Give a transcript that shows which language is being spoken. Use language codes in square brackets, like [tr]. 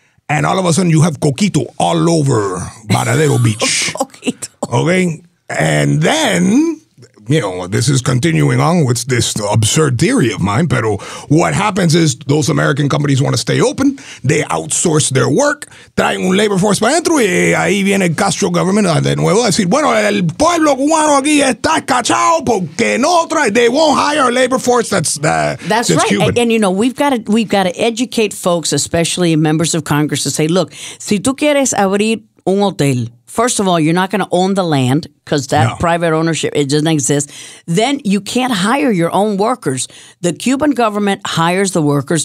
[en] And all of a sudden you have Coquito all over Varadero Beach. Coquito. Okay? And then, you know, this is continuing on with this absurd theory of mine, [es] pero [en] what happens is those American companies want to stay open. They outsource their work. [es] Traen un [en] labor force [es] para dentro y ahí viene el Castro government de nuevo a decir, bueno, el pueblo cubano aquí está cachado porque no trae. [en] They won't hire a labor force that's right. Cuban. And you know, we've got to educate folks, especially members of Congress, to say, look, [es] si tú quieres abrir un hotel, [en] first of all, you're not going to own the land because that private ownership, it doesn't exist. Then you can't hire your own workers. The Cuban government hires the workers.